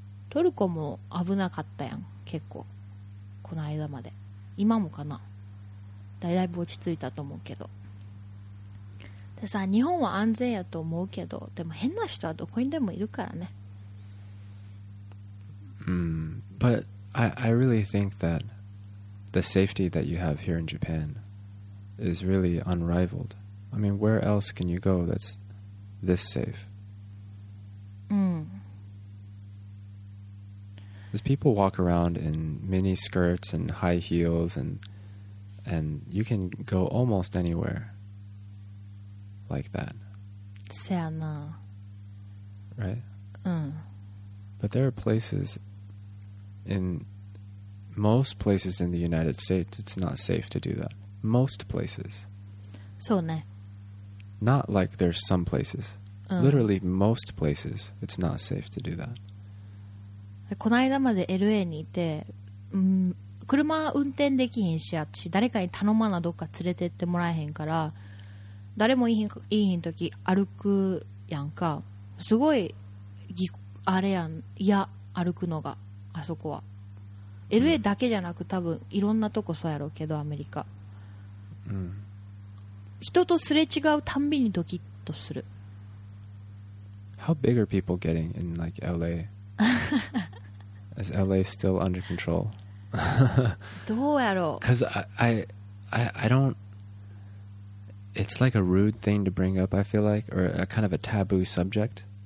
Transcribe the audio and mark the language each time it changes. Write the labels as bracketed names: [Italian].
[Japanese] トルコも危なかったやん、結構この間まで。今もかな、だいぶ落ち着いたと思うけど。でさ、日本は安全やと思うけど、でも変な人はどこにでもいるからね。 [English] But I really think that the safety that you have here in Japan is really unrivaled. I mean, where else can you go that's this safe? Because people walk around in mini skirts and high heels, and you can go almost anywhere like that. [Japanese] せやな。 [English] Right? But there are places, in most places in the United States, it's not safe to do that. Most places. [Japanese] そうね。 [English] Not like there's some places. Literally most places, it's not safe to do that. [Japanese] この間まで LA にいて、車運転できひんし、あっち誰かに頼まな、どっか連れてってもらえへんから、誰もいいひん時歩くやんか、すごいあれやん、いや歩くのが、あそこは LA だけじゃなく、多分いろんなとこそうやろうけど、アメリカ、人とすれ違うたんびにドキッとする。 [English] How big are people getting in like LAIs LA still under control? [Japanese] どうやろう? [English] Because I don't... It's like a rude thing to bring up, I feel like, or a kind of a taboo subject.